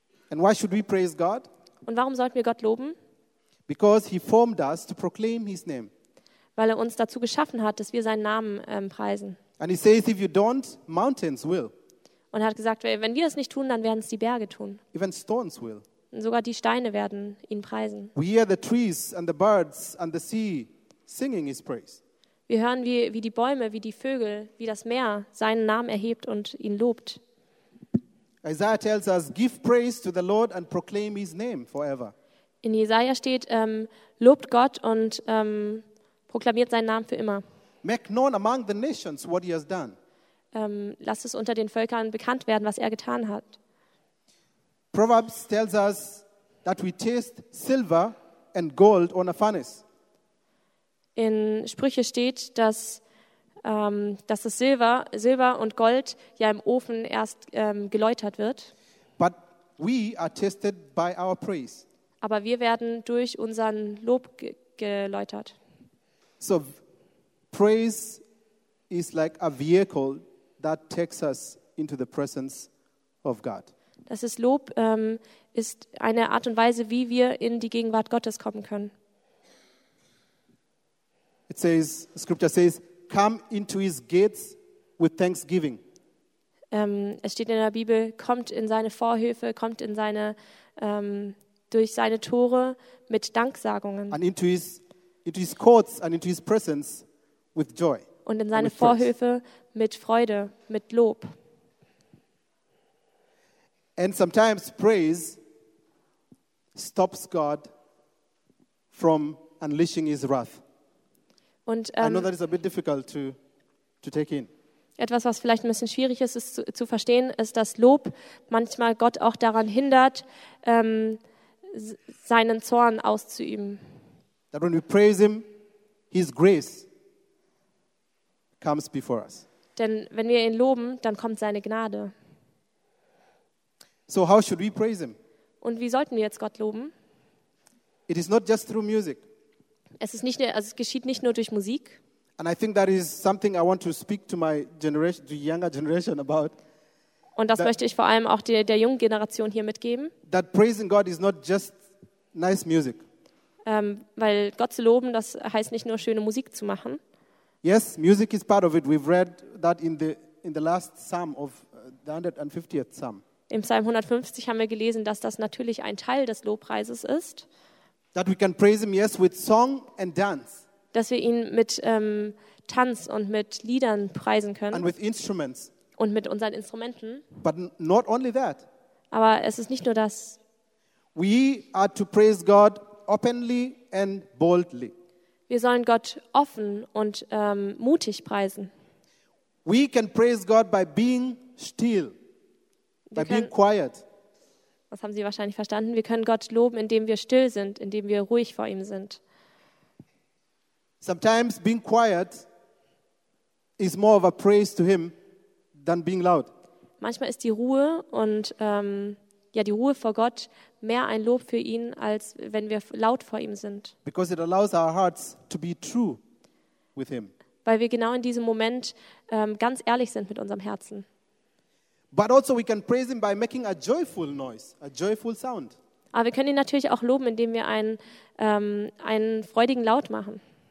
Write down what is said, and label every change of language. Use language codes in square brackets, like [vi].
[en] And why should we praise God? [de] Und warum sollten wir Gott loben? [en] Because he formed us to proclaim his name. [de] Weil er uns dazu geschaffen hat, dass wir seinen Namen preisen. [en] And he says, if you don't, mountains will. [de] Und er hat gesagt, wenn wir es nicht tun, dann werden es die Berge tun. [en] Even stones will. [de] Und sogar die Steine werden ihn preisen. [en] We hear the trees and the birds and the sea singing his praise. [de] Wir hören, wie die Bäume, wie die Vögel, wie das Meer seinen Namen erhebt und ihn lobt. [en] Isaiah tells us, give praise to the Lord and proclaim his name forever. [de] In Jesaja steht, lobt Gott und proklamiert seinen Namen für immer. [en] Make known among the nations what he has done. [de] Lasst es unter den Völkern bekannt werden, was er getan hat. [en] Proverbs tells us that we taste silver and gold on a furnace. [de] In Sprüche steht, dass das Silber und Gold ja im Ofen erst geläutert wird. [en] But we are tested by our praise. [de] Aber wir werden durch unseren Lob geläutert. [en] So praise is like a vehicle that takes us into the presence of God. [de] Das ist Lob, ist eine Art und Weise, wie wir in die Gegenwart Gottes kommen können. [en] It says, the scripture says, come into his gates with thanksgiving. [de] Es steht in der Bibel, kommt in seine Vorhöfe, kommt in seine durch seine Tore mit Danksagungen. [en] And into his courts and into his presence with joy. [de] Und in seine Vorhöfe mit Freude, mit Lob. [en] And sometimes praise stops God from unleashing his wrath. [de] Und, [en] I know that is a bit difficult to take in. [de] Etwas, was vielleicht ein bisschen schwierig ist zu verstehen, ist, dass Lob manchmal Gott auch daran hindert, seinen Zorn auszuüben. [en] That when we praise him, his grace comes before us. [de] Denn wenn wir ihn loben, dann kommt seine Gnade. [en] So how should we praise him? [de] Und wie sollten wir jetzt Gott loben? [en] It is not just through music. [de] Es geschieht nicht nur durch Musik. [en] And I think that is something I want to speak to my generation, the younger generation about. [de] Und das möchte ich vor allem auch der jungen Generation hier mitgeben. [en] That praising God is not just nice music. [de] Weil Gott zu loben, das heißt nicht nur schöne Musik zu machen. [en] Yes, music is part of it. We've read that in the last Psalm of the 150th Psalm. [de] Im Psalm 150 haben wir gelesen, dass das natürlich ein Teil des Lobpreises ist. [en] That we can praise him, yes, with song and dance. [de] Dass wir ihn mit Tanz und mit Liedern preisen können. [en] And with instruments. [de] Und mit unseren Instrumenten. [en] But not only that. [de] Aber es ist nicht nur das. [en] We are to praise God openly and boldly. [de] Wir sollen Gott offen und mutig preisen. [en] We can praise God by being still. Being quiet. [de] Das haben Sie wahrscheinlich verstanden. Wir können Gott loben, indem wir still sind, indem wir ruhig vor ihm sind. [en] Sometimes being quiet is more of a praise to him than being loud. [de] Manchmal ist die Ruhe und die Ruhe vor Gott mehr ein Lob für ihn, als wenn wir laut vor ihm sind. [en] Because it allows our hearts to be true with him. [de] Weil wir genau in diesem Moment ganz ehrlich sind mit unserem Herzen. [en] But also we can praise him by making a joyful noise, a joyful sound. [de] Aber wir können ihn natürlich auch loben, indem wir einen freudigen Laut machen.